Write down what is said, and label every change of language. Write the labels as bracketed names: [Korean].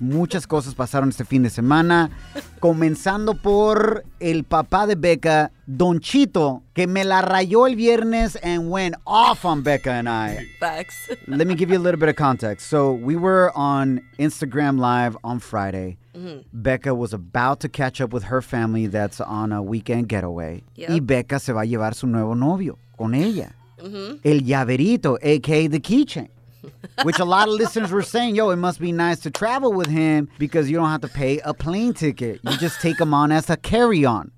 [Spanish] Muchas cosas pasaron este fin de semana. Comenzando por el papá de Becca, Don Chito, que me la rayó el viernes [English] and went off on Becca and I. Facts. Let me give you a little bit of context. So we were on Instagram Live on Friday. Mm-hmm. Becca was about to catch up with her family that's on a weekend getaway. Yep. [Spanish] Y Becca se va a llevar su nuevo novio con ella. Mm-hmm. El llaverito, [English] a.k.a. the keychain. Which a lot of listeners were saying, yo, it must be nice to travel with him because you don't have to pay a plane ticket. You just take him on as a carry-on.